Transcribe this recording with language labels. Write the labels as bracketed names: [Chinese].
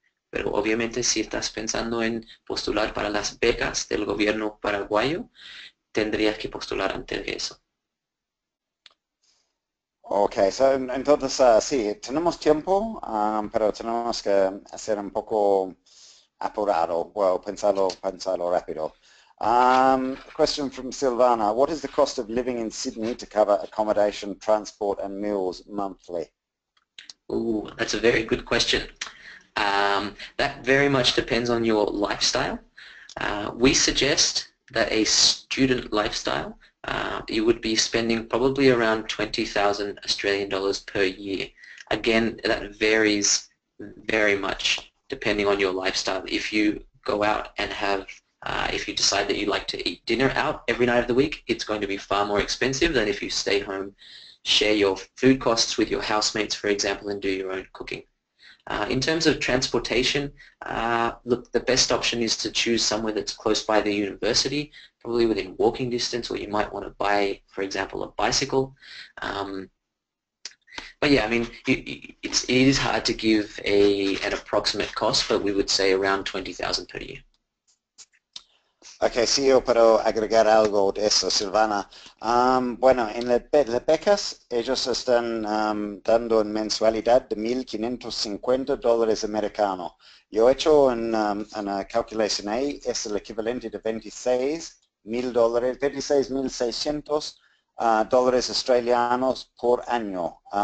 [Spanish] Pero obviamente si estás pensando en postular para las becas del gobierno paraguayo, tendrías que postular antes de eso. Ok, so, entonces sí, tenemos tiempo, pero tenemos que hacer un poco apurado, well, pensarlo rápido. [English] Question from Silvana. What is the cost of living in Sydney to cover accommodation, transport and meals monthly? Ooh, that's a very good question. That very much depends on your lifestyle. We suggest that a student lifestyle, you would be spending probably around $20,000 per year. Again, that varies very much depending on your lifestyle. If you go out and have, if you decide that you like to eat dinner out every night of the week, it's going to be far more expensive than if you stay home, share your food costs with your housemates, for example, and do your own cooking. In terms of transportation, look, the best option is to choose somewhere that's close by the university, probably within walking distance, or you might want to buy, for example, a bicycle. But yeah, I mean, it is hard to give an approximate cost, but we would say around $20,000 per year. [Spanish] Okay, sí, yo puedo agregar algo de eso, Silvana. Bueno, en las becas, ellos están dando una mensualidad de $1,550 americanos. Yo he hecho una calculación ahí, es el equivalente de $26,000, $26,600 australianos por año.